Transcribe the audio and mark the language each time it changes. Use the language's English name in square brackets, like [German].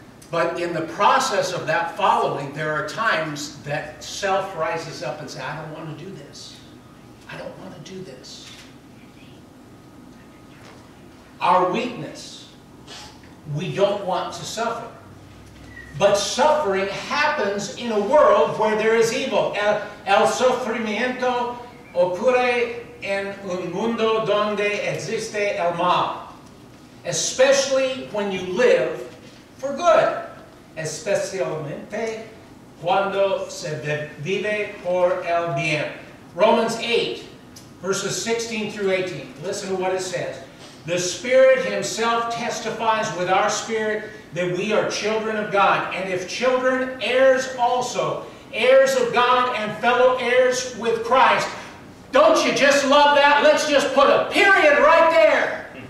[English] But in the process of that following, there are times that self rises up and says, I don't want to do this. I don't want to do this. Our weakness. We don't want to suffer. But suffering happens in a world where there is evil. [Spanish] El sufrimiento ocurre en un mundo donde existe el mal. [English] Especially when you live for good. [Spanish] Especialmente cuando se vive por el bien. [English] Romans 8, verses 16 through 18. Listen to what it says. The Spirit Himself testifies with our spirit that we are children of God. And if children, heirs also, heirs of God and fellow heirs with Christ. Don't you just love that? Let's just put a period right there.